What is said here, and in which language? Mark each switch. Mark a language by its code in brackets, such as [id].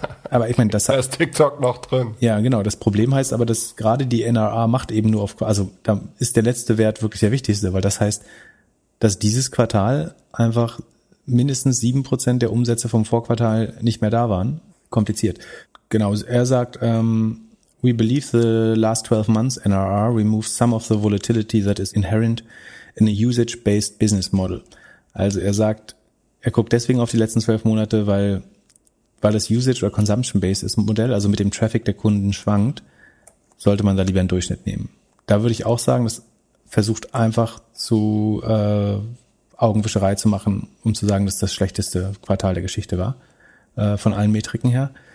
[de] Aber ich meine, da ist TikTok noch drin. Ja, genau. Das Problem heißt aber, dass gerade die NRR macht eben nur auf, also da ist der letzte Wert wirklich der wichtigste, weil das heißt, dass dieses Quartal einfach mindestens 7% der Umsätze vom Vorquartal nicht mehr da waren. Kompliziert. Genau. Er sagt, [en] we believe the last 12 months NRR removes some of the volatility that is inherent in a usage-based business model. [de] Also er sagt, er guckt deswegen auf die letzten 12 Monate, weil das Usage- oder Consumption-Based ist ein Modell, also mit dem Traffic der Kunden schwankt, sollte man da lieber einen Durchschnitt nehmen. Da würde ich auch sagen, das versucht einfach zu Augenwischerei zu machen, um zu sagen, dass das schlechteste Quartal der Geschichte war, von allen Metriken her.